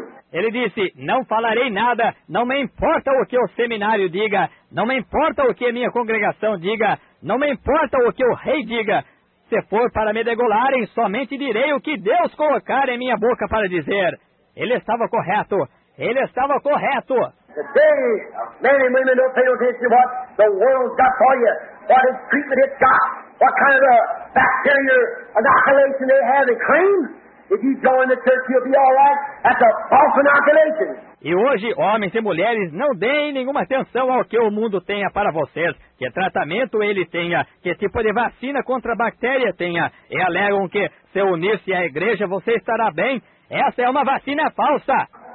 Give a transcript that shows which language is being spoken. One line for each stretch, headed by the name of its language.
Portuguese: Ele disse, não falarei nada, não me importa o que o seminário diga, não me importa o que a minha congregação diga, não me importa o que o rei diga. Se for para me degolarem, somente direi o que Deus colocar em minha boca para dizer. Ele estava correto. Ele estava correto.
English: Today, men and women don't pay attention to what the world's got for you, what its treatment it's got, what kind of a bacteria inoculation they have and claim. If you join the church, you'll be all right. That's a false inoculation.
Portuguese: E hoje, homens e mulheres, não deem nenhuma atenção ao que o mundo tenha para vocês, que tratamento ele tenha, que tipo de vacina contra a bactéria tenha, e alegam que, se unir-se à igreja, você estará bem. Essa é uma vacina falsa.